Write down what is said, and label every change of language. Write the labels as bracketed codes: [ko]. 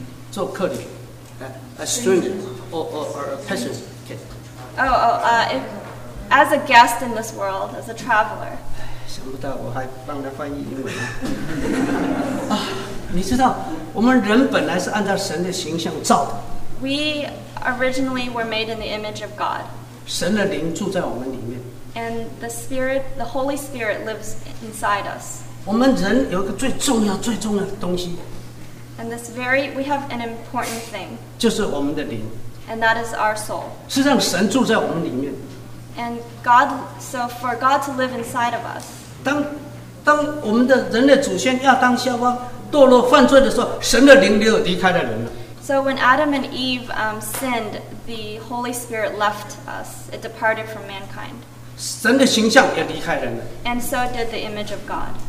[zh] 做客旅 [en] a stranger or a passenger. Okay. If, as a guest in this world, as a traveler. [zh] 想不到我还帮他翻译英文。你知道，我们人本来是按照神的形象造的。 [en] We originally were made in the image of God. [zh] 神的灵住在我们里面。 [en] And the Spirit, the Holy Spirit, lives inside us. [zh] 我们人有一个最重要、最重要的东西。 [en] And this very, we have an important thing. [zh] 就是我们的灵。 [en] And that is our soul. [zh] 是让神住在我们里面。 [en] And God, so for God to live inside of us. [zh] 当我们的人类祖先亚当夏娃堕落犯罪的时候，神的灵就离开了人了。 [en] So when Adam and Eve sinned, the Holy Spirit left us. It departed from mankind. [zh] 神的形象也离开人了。 [en] And so did the image of God.